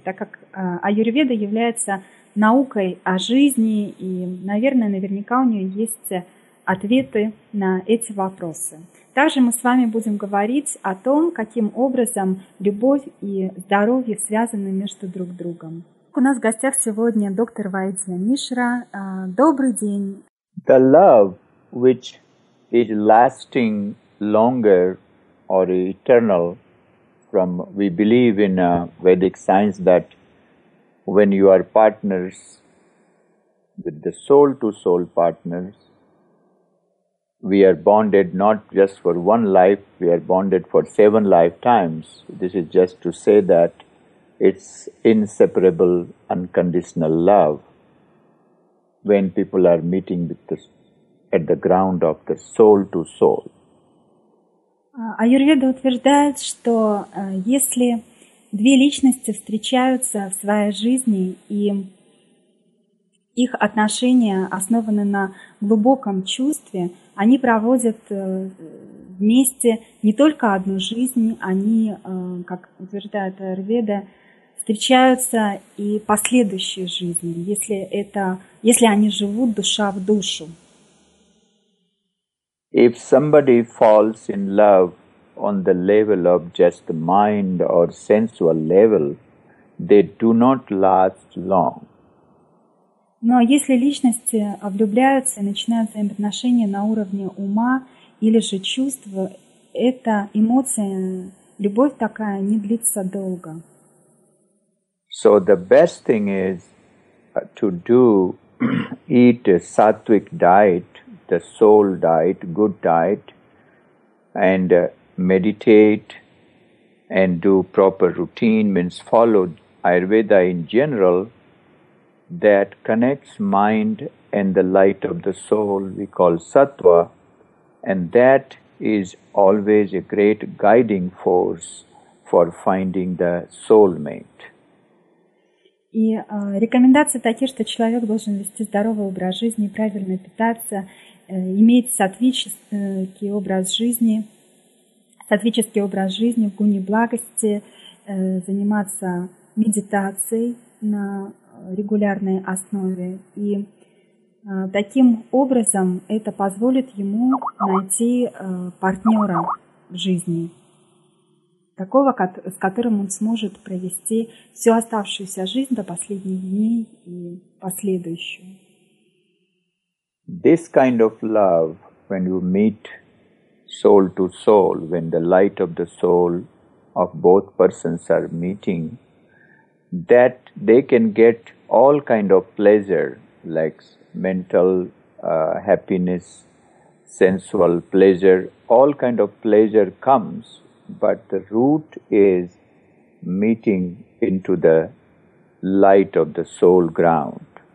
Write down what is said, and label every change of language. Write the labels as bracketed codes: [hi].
[ru] Так как аюрведа является наукой о жизни, и, наверное, наверняка у нее есть ответы на эти вопросы. Также мы с вами будем говорить о том, каким образом любовь и здоровье связаны между друг другом. У нас в гостях сегодня доктор Вайдья Мишра. Добрый день. [en] The love which is lasting longer or eternal, from we believe in Vedic science that when you are partners with the soul to soul partners, we are bonded not just for one life, we are bonded for seven lifetimes. This is just to say that it's inseparable, unconditional love. When people are meeting at the ground of the soul to soul. [ru] Аюрведа утверждает, что если две личности встречаются в своей жизни и их отношения основаны на глубоком чувстве, они проводят вместе не только одну жизнь, они, как утверждает Аюрведа, встречаются и последующие жизни, если они живут душа в душу. [en] If somebody falls in love on the level of just mind or sensual level, they do not last long. [ru] Но если личности влюбляются и начинают взаимоотношения на уровне ума или же чувств, эта эмоция, любовь такая, не длится долго. [en] So the best thing is to do, eat a sattvic diet, the soul diet, good diet, and meditate and do proper routine, means follow Ayurveda in general, that connects mind and the light of the soul, we call sattva, and that is always a great guiding force for finding the soulmate. [ru] И рекомендации такие, что человек должен вести здоровый образ жизни, правильно питаться, иметь сатвический образ жизни в гуне благости, заниматься медитацией на регулярной основе. И таким образом это позволит ему найти партнера в жизни, такого, с которым он сможет провести всю оставшуюся жизнь до последних дней и последующую. [en] This kind of love, when you meet soul to soul, when the light of the soul of both persons are meeting, that they can get all kind of pleasure, like mental happiness, sensual pleasure, all kind of pleasure comes, but the root is meeting into the light of the soul ground.